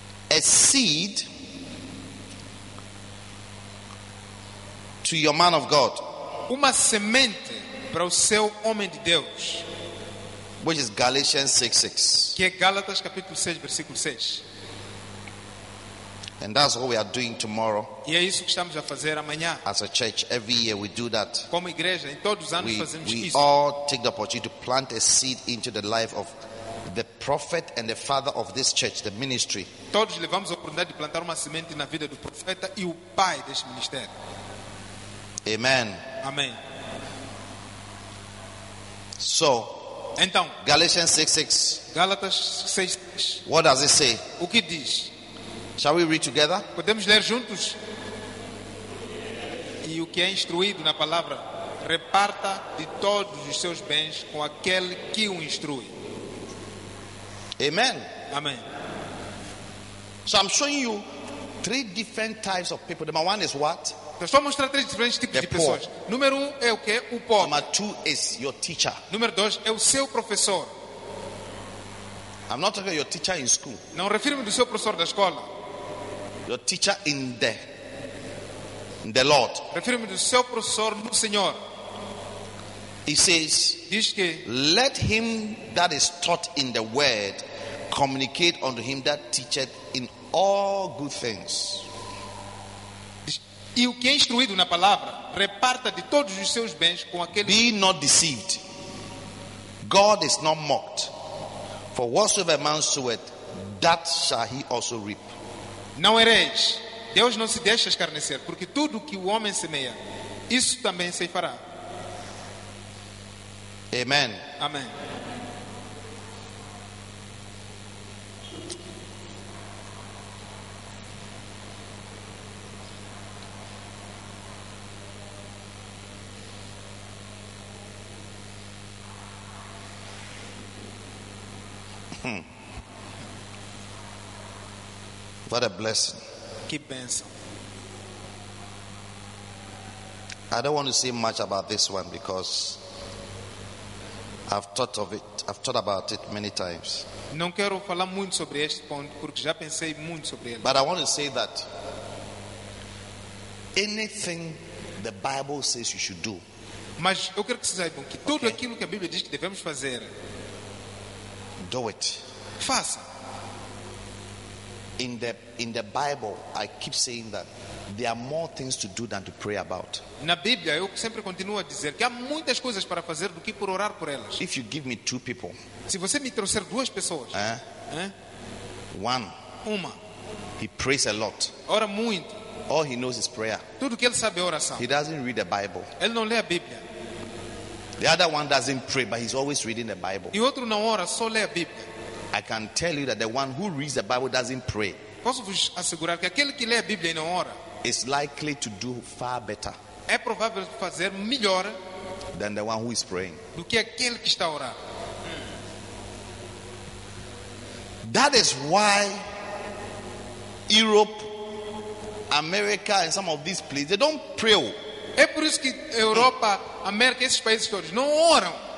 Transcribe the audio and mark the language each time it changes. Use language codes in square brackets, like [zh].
[en] A seed to your man of God. [pt] Uma semente para o seu homem de Deus. [en] Which is Galatians 6:6. [pt] Que é Gálatas capítulo 6 versículo 6. [en] And that's what we are doing tomorrow. [pt] E é isso que estamos a fazer amanhã. [en] As a church, every year we do that. [pt] Como igreja, em todos os anos fazemos [en] we [pt] isso. [en] We all take the opportunity to plant a seed into the life of the prophet and the father of this church, the ministry. [pt] Todos levamos a oportunidade de plantar uma semente na vida do profeta e o pai deste ministério. [en] Amen. [pt] Amém. [en] So, [pt] então, [en] Galatians 6:6. [pt] Gálatas 6:6. [en] What does it say? [pt] O que diz? [en] Shall we read together? [pt] Podemos ler juntos? E o que é instruído na palavra, reparta de todos os seus bens com aquele que o instrui. [en] Amen. [pt] Amen. [en] So I'm showing you three different types of people. Number one is what? [pt] Eu vou mostrar três diferentes tipos [en] the [pt] de pessoas. [en] Poor. [pt] Número um é o quê? O pobre. [en] Number two is your teacher. [pt] Número dois é o seu professor. [en] I'm not talking about your teacher in school. [pt] Não refiro-me do seu professor da escola. [en] Your teacher in the Lord. [pt] Refiro-me do seu professor no Senhor. [en] He says, [pt] diz que, [en] let him that is taught in the word communicate unto him that teacheth in all good things. [pt] Diz, e o que é instruído na palavra, reparta de todos os seus bens com aquele. [en] Be not deceived. God is not mocked. For whatsoever man soweth, that shall he also reap. [pt] Não ereis. Deus não se deixa escarnecer, porque tudo que o homem semeia, isso também se fará. [en] Amen. [pt] Amen. [en] What a blessing. [pt] Que bênção. [en] I don't want to say much about this one because I've thought of it. I've thought about it many times. [pt] Não quero falar muito sobre este ponto porque já pensei muito sobre ele. [en] But I want to say that anything the Bible says you should do. [pt] Mas eu quero que vocês saibam que tudo aquilo que a Bíblia diz que devemos fazer. [en] Do it. [pt] Faça. [en] In the Bible, I keep saying that there are more things to do than to pray about. [pt] Na Bíblia, eu sempre continuo a dizer que há muitas coisas para fazer do que por orar por elas. [en] If you give me two people, [pt] se você me trouxer duas pessoas, [en] one, [pt] uma, [en] he prays a lot. [pt] Ora muito. [en] All he knows is prayer. [pt] Tudo que ele sabe é oração. [en] He doesn't read the Bible. [pt] Ele não lê a Bíblia. [en] The other one doesn't pray, but he's always reading the Bible. [pt] E outro não ora, só lê a Bíblia. [en] I can tell you that the one who reads the Bible doesn't pray. [pt] Posso vos assegurar que aquele que lê a Bíblia e não ora [en] is likely to do far better. [pt] É provável fazer melhor [en] than the one who is praying. [pt] Do que aquele que está a orar. [en] That is why Europe, America and some of these places they don't pray. [pt] É por isso que Europa, América, esses países todos não oram.